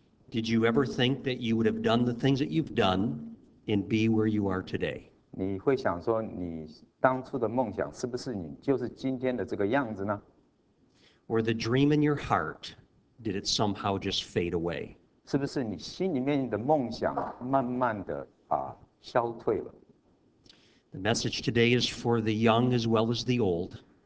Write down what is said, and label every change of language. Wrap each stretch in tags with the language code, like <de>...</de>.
<en>Did you ever think that you would have done the things that you've done and be where you are today?</en> <zh>你会想说你当初的梦想是不是你就是今天的这个样子呢?</zh> <en>Or the dream in your heart, did it somehow just fade away?</en> <zh>是不是你心里面的梦想慢慢的消退了?</zh> <en>The message today is for the young as well as the old.</en>